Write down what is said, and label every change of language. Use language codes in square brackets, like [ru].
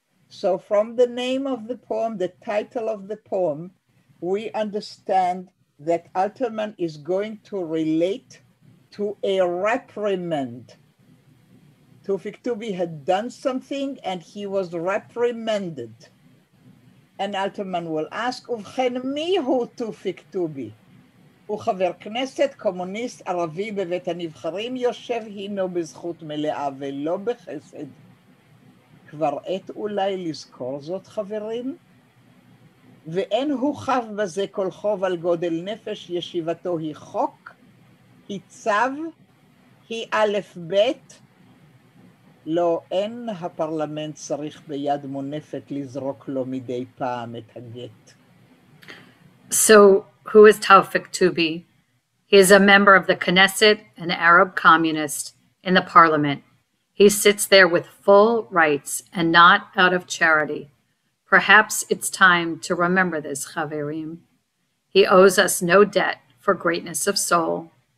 [en] So from the name of the poem, the title of the poem, we understand that Alterman is going to relate to a reprimand. Tufik Tubi had done something and he was reprimanded. And Alterman will ask, [he] "Uvchen mihu Tufik Tubi? וחבר כנסת קומוניסט ערבי בבית הנבחרים יושב הינו בזכות מלאה ולא בחסד. כבר עת אולי לזכור זאת חברים? ואין הוא חב בזה כל חוב על גודל נפש, ישיבתו היא חוק, היא צו, היא א' ב'. לא, אין הפרלמנט צריך ביד מונפת לזרוק לו מדי פעם את הגט." [en] So who is Tufik Tubi? He is a member of the Knesset, an Arab communist, in the parliament. He sits there with full rights and not out of charity. Perhaps it's time to remember this, Chaverim. He owes us no debt for greatness of soul.